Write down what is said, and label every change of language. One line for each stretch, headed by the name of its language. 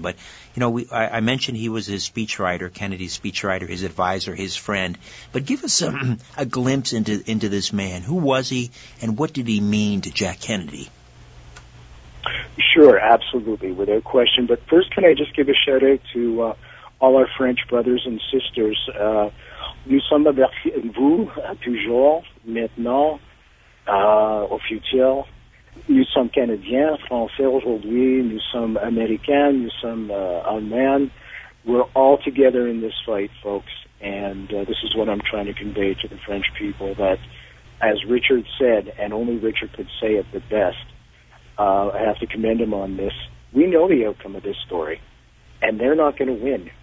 English: But, you know, I mentioned he was his speechwriter, Kennedy's speechwriter, his advisor, his friend. But give us a glimpse into this man. Who was he, and what did he mean to Jack Kennedy? Sure, absolutely, without question. But first, can I just give a shout-out to all our French brothers and sisters.
French: Nous sommes avec vous, toujours, maintenant, au futur. Nous sommes Canadiens, Français aujourd'hui, nous sommes Américains, nous sommes Allemands.
English: We're all together in this fight, folks, and this is what I'm trying to convey to the French people, that as Richard said, and only Richard could say it the best, I have to commend him on this, we know the outcome of this story, and they're not going to win.